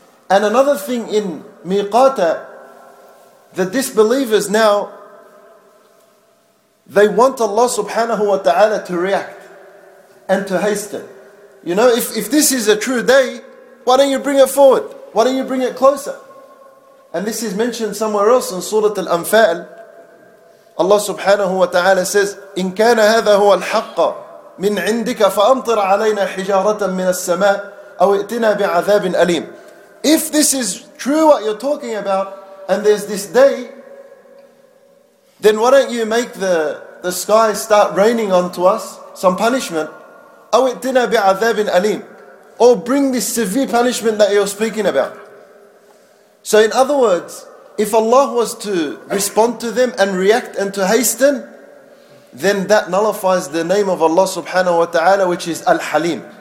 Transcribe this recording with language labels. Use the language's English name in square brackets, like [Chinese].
[English] And another thing in Miqata, the disbelievers now, they want Allah subhanahu wa ta'ala to react and to hasten. You know, if this is a true day, why don't you bring it forward? Why don't you bring it closer? And this is mentioned somewhere else in Surah Al-Anfal. Allah subhanahu wa ta'ala says, [Arabic] إِن كَانَ هَذَا هُوَ الْحَقَّ مِنْ عِنْدِكَ فَأَمْطِرَ عَلَيْنَا حِجَارَةً مِنَ السَّمَاءِ أَوْ اِئْتِنَا بِعَذَابٍ أَلِيمٍ. [English] If this is true what you're talking about, and there's this day, then why don't you make the sky start raining onto us some punishment? [Arabic] أَوْ اِئْتِنَا بِعَذَابٍ أَلِيمٍ. [English] Or bring this severe punishment that you're speaking about. So in other words, if Allah was to respond to them and react and to hasten, then that nullifies the name of Allah subhanahu wa ta'ala, which is Al-Halim.